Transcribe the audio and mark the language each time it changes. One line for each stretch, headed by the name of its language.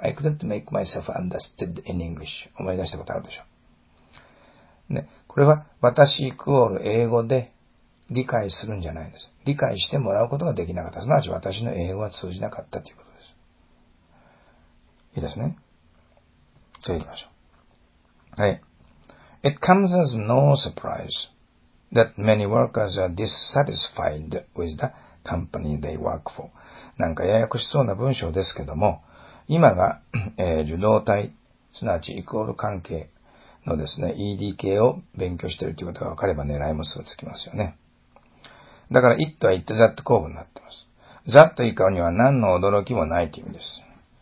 English: I couldn't make myself understood in English。
Japanese: 思い出したことあるでしょう。ね、これは私イクオール英語で理解するんじゃないです。理解してもらうことができなかった。すなわち私の英語は通じなかったということです。いいですね。じゃあ行きましょう。はい。
English: It comes as no surprise that many workers are dissatisfied with the company they work for.
Japanese: なんかややこしそうな文章ですけども、今が、受動態、すなわちイクオール関係のですね、ED 系を勉強しているということが分かれば狙いもすぐつきますよね。だから、it は it that 構文になっています。that 以下には何の驚きもないという意味です。